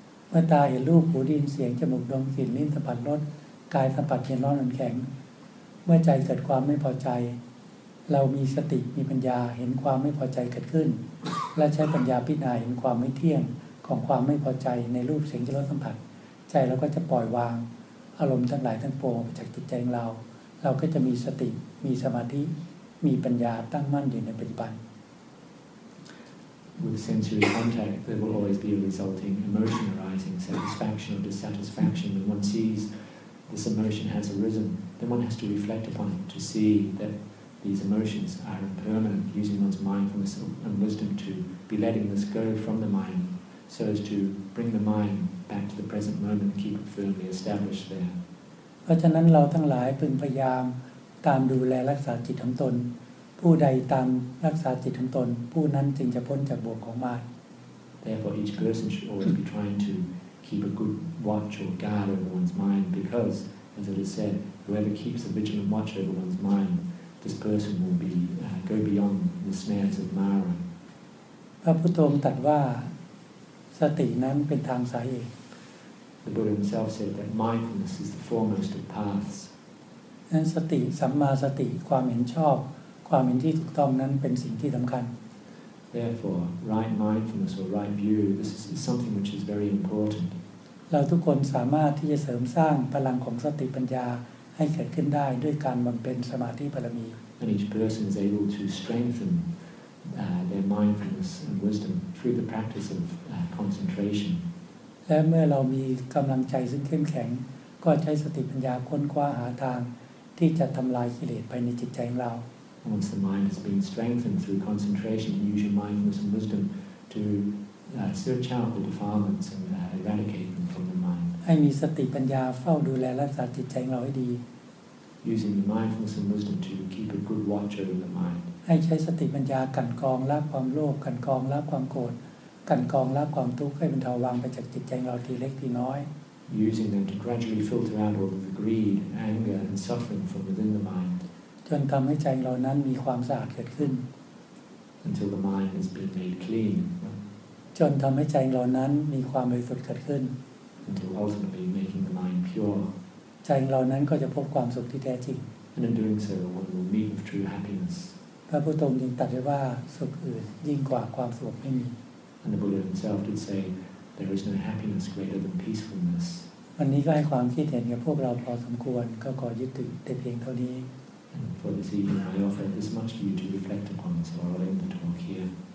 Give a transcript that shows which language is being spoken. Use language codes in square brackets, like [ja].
[th] เมื่อตาเห็นรูปหูได้ยินเสียงจมูกดมกลิ่นลิ้นสัมผัสรสกายสัมผัสเย็นร้อนอ่อนแข็งเมื่อใจเกิดความไม่พอใจเรามีสติมีปัญญาเห็นความไม่พอใจเกิดขึ้นและใช้ปัญญาพิจารณาเห็นความไม่เที่ยงของความไม่พอใจในรูปเสียงรสสัมผัสใจเราก็จะปล่อยวางอารมณ์ทั้งหลายทั้งปวงจากจิตใจของเราเราก็จะมีสติมีสมาธิมีปัญญาตั้งมั่นอยู่ในปัจจุบัน [en] With sensory contact there will always be a resulting emotion arising satisfaction or dissatisfaction when one seesThis emotion has arisen. Then one has to reflect upon it to see that these emotions are impermanent. Using one's mindfulness and wisdom to be letting this go from the mind, so as to bring the mind back to the present moment and keep it firmly established there. [th] เพราะฉะนั้นเราทั้งหลายพึงพยายามตามดูแลรักษาจิตของตนผู้ใดตามรักษาจิตของตนผู้นั้นจึงจะพ้นจากบ่วงของมาร [en] Therefore, each person should always be trying to. Keep a good watch or guard over one's mind, because, as it is said, whoever keeps a vigilant watch over one's mind, this person will be go beyond the snares of Mara. [th] พระพุทธองค์ตรัสว่าสตินั้นเป็นทางสายเอก [en] The Buddha himself said that mindfulness is the foremost of paths. [th] นั้นสติสัมมาสติความเห็นชอบความเห็นที่ถูกต้องนั้นเป็นสิ่งที่สำคัญ [en] Therefore, right mindfulness or right view, this is something which is very important. [th] เราทุกคนสามารถที่จะเสริมสร้างพลังของสติปัญญาให้เกิดขึ้นได้ด้วยการบำเพ็ญสมาธิบารมี [en] And each person is able to strengthen their mindfulness and wisdom through the practice of concentration. [th] และเมื่อเรามีกำลังใจซึ่งเข้มแข็งก็ใช้สติปัญญาค้นคว้าหาทางที่จะทำลายกิเลสภายในจิตใจของเรา [en] Once the mind has been strengthened through concentration, you use your mindfulness and wisdom to search out the defilements and eradicate them from the mind. [th] ให้มีสติปัญญาเฝ้าดูแลรักษาจิตใจของเราให้ดี [en] Using the mindfulness and wisdom to keep a good watch over the mind. [th] ให้ใช้สติปัญญากันกองละความโลภกันกองละความโกรธกันกองละความทุกข์ให้บรรเทาวางไปจากจิตใจของเราทีเล็กทีน้อย [en] Using them to gradually filter out all of the greed, anger, and suffering from within the mind. [th] จนทำให้ใจเรานั้นมีความสะอาดเกิดขึ้น [en] Until the mind has been made clean. [th] จนทำให้ใจเรานั้นมีความบริสุทธิ์เกิดขึ้น [en] Until ultimately making the mind pure. [th] ใจเรานั้นก็จะพบความสุขที่แท้จริง [en] And in doing so, one will meet with true happiness. [th] พระพุทธองค์จึงตรัสไว้ว่าสุขอื่นยิ่งกว่าความสุขไม่มี [en] And the Buddha himself did say, there is no happiness greater than peacefulness. [th] วันนี้ก็ให้ความคิดเห็นกับพวกเราพอสมควรก็ขอยึดถือแต่เพียงเท่านี้ [en] And for this evening, I offer this much for you to reflect upon, so I'll end the talk here.